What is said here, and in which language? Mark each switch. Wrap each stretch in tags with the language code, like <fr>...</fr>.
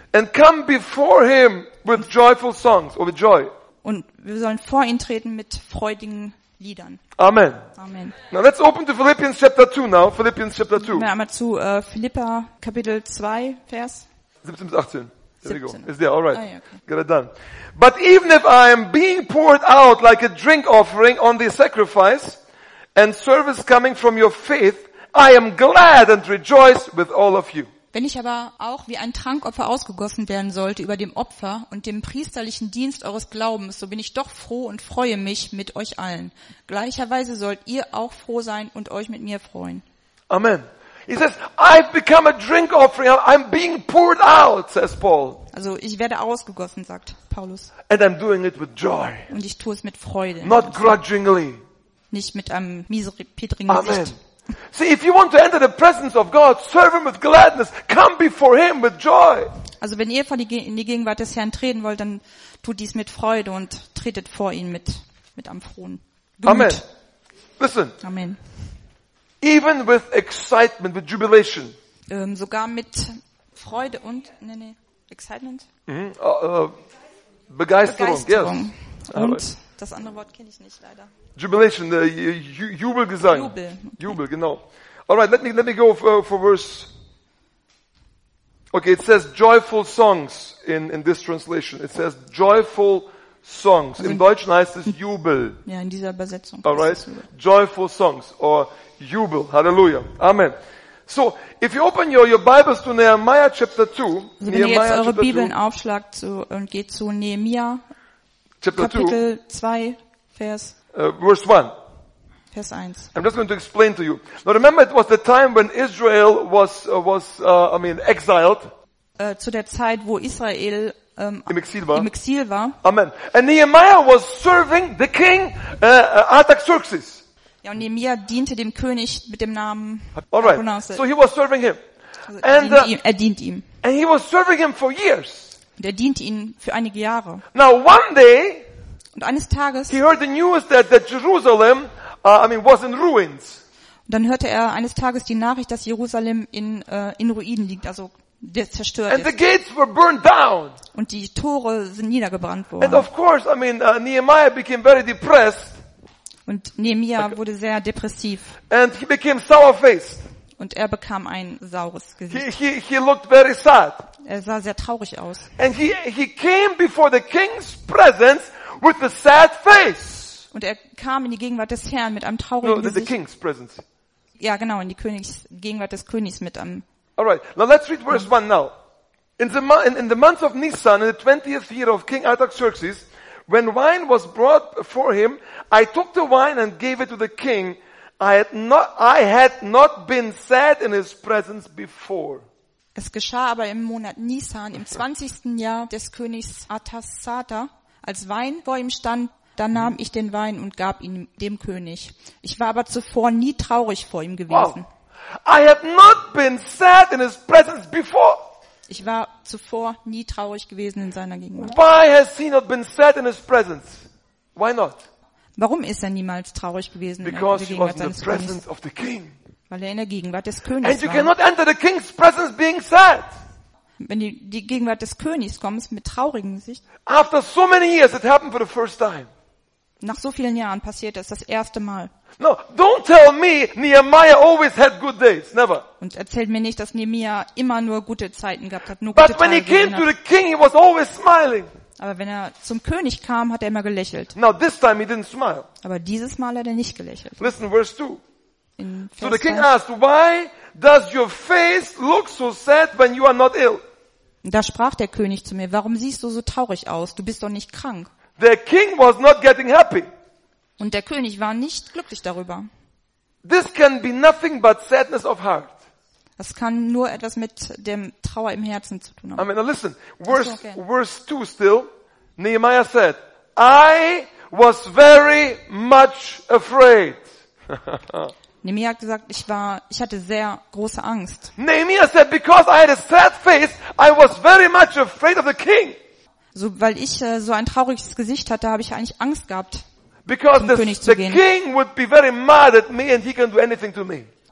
<en>And come before him with joyful songs or with joy.</en> <de>Und wir sollen vor ihn treten mit freudigen Liedern. Amen. Amen.</de> <en>Now let's open to Philippians chapter 2 now. Philippians chapter 2.</en> <de>Wir einmal zu Philipper Kapitel 2 Vers 17 bis 18.</de> <en>There 17. We go. Is there all right? Oh, yeah, okay. Got it done. But even if I am being poured out like a drink offering on the sacrifice and service coming from your faith, I am glad and rejoice with all of you.</en> <de>Wenn ich aber auch wie ein Trankopfer ausgegossen werden sollte über dem Opfer und dem priesterlichen Dienst eures Glaubens, so bin ich doch froh und freue mich mit euch allen. Gleicherweise sollt ihr auch froh sein und euch mit mir freuen. Amen.</de> <en>He says, I've become a drink offering. I'm being poured out, says Paul.</en> <de>Also ich werde ausgegossen, sagt Paulus.</de> <en>And I'm doing it with joy.</en> <de>Und ich tue es mit Freude.</de> <en>Not grudgingly.</en> <de>Nicht mit einem miesepetrigen Gesicht. Amen.</de> <en>See, if you want to enter the presence of God, serve him with gladness. Come before him with joy.</en> <de>Also, wenn ihr in die Gegenwart des Herrn treten wollt, dann tut dies mit Freude und tretet vor ihn mit einem frohen Gemüt.</de> <en>Amen. Listen. Amen. Even with excitement, with jubilation.</en> <de>Sogar mit Freude und excitement. Mm-hmm. Begeisterung. Begeisterung.</de> <en>Yes.</en> <de>Und das andere Wort kenne ich nicht leider.</de> <en>Jubilation, the Jubelgesang.</en> <de>Jubel. Jubel, genau.</de> <en>All right, let me go for verse. Okay, it says joyful songs in this translation. It says joyful songs.</en> <de>Also in Deutschen heißt es Jubel. Ja, in dieser Übersetzung.</de> <en>All right, joyful songs or Jubel. Hallelujah. Amen. So, if you open your Bibles to Nehemiah chapter 2.</en> <de>Also wenn ihr jetzt eure Bibeln aufschlagt und geht zu Nehemiah</de> <en>chapter</en> <de>Kapitel 2, Vers</de> <en>verse 1.</en> <de>Vers 1.</de> <en>I'm just going to explain to you. Now remember, it was the time when Israel was exiled.</en> <de>Zu der Zeit, wo Israel im Exil war. Amen.</de> <en>And Nehemiah was serving the king Artaxerxes.</en> <de>Ja, und Nehemiah diente dem König mit dem Namen.</de> <en>All right. So he was serving him. And</en> <de>er dient ihm.</de> <en>And he was serving him for years.</en> <de>Und er diente ihm für einige Jahre.</de> <en>Now one day.</en> <de>Und eines Tages.</de> <en>He heard the news that Jerusalem, was in ruins.</en> <de>Und dann hörte er eines Tages die Nachricht, dass Jerusalem in Ruinen liegt, also zerstört</de> <en>and the gates were burned down.</en> <de>Und die Tore sind niedergebrannt worden.</de> <en>And of course, Nehemiah became very depressed.</en> <de>Und Nehemiah wurde sehr depressiv.</de> <en>And he became sour-faced.</en> <de>Und er bekam ein saures Gesicht.</de> <en>He looked very sad.</en> <de>Er sah sehr traurig aus.</de> <en>And he came before the king's presence with a sad face.</en> <de>Und er kam in die Gegenwart des Herrn mit einem traurigen Gesicht.</de> <en>The king's presence.</en> <de>Ja, genau, in die Gegenwart des Königs mit einem.</de> <en>All right, now let's read verse 1 now. In the month of Nisan, in the 20th year of King Artaxerxes, when wine was brought before him, I took the wine and gave it to the king. I had not been sad in his presence before.</en> <de>Es geschah aber im Monat Nisan, im 20. Jahr des Königs Artaxerxes, als Wein vor ihm stand, da nahm ich den Wein und gab ihn dem König. Ich war aber zuvor nie traurig vor ihm gewesen. Wow.</de> <en>I have not been sad in his presence before.</en> <de>Ich war zuvor nie traurig gewesen in seiner Gegenwart.</de> <en>Why has he not been sad in his presence? Why not?</en> <de>Warum ist er niemals traurig gewesen in der Gegenwart seines Königs?</de> <en>Because he was in the presence of the king.</en> <de>Weil er in der Gegenwart des Königs war.</de> <en>And you cannot enter the king's presence being sad.</en> <de>Wenn du die Gegenwart des Königs kommst mit traurigem Gesicht.</de> <en>After so many years it happened for the first time.</en> <de>Nach so vielen Jahren passiert es das erste Mal.</de> <en>No, don't tell me Nehemiah always had good days. Never.</en> <de>Und erzählt mir nicht, dass Nehemiah immer nur gute Zeiten gehabt hat, nur</de> <en>but</en> <de>gute Tage.</de> <en>But when he came to the king, he was always smiling.</en> <de>Aber wenn er zum König kam, hat er immer gelächelt.</de> <en>Now this time he didn't smile.</en> <de>Aber dieses Mal hat er nicht gelächelt.</de> <en>Listen, verse 2. So the king asked, "Why does your face look so sad when you are not ill?"</en> <de>Da sprach der König zu mir: "Warum siehst du so traurig aus? Du bist doch nicht krank."</de> <en>The king was not getting happy.</en> <de>Und der König war nicht glücklich darüber.</de> <en>This can be nothing but sadness of heart.</en> <de>Das kann nur etwas mit dem Trauer im Herzen zu tun haben.</de> <en>I mean, now listen. Verse 2 still. Nehemiah said, "I was very much afraid."</en> <de>Nehemiah hat gesagt, ich hatte sehr große Angst.</de> <en>Nehemiah said, "Because I had a sad face, I was very much afraid of the king."</en> <de>So, weil ich so ein trauriges Gesicht hatte, habe ich eigentlich Angst gehabt.</de> <en>Because</en> <de>zum König zu gehen.</de> <en>The king would be very mad at me and he can do anything to me.</en>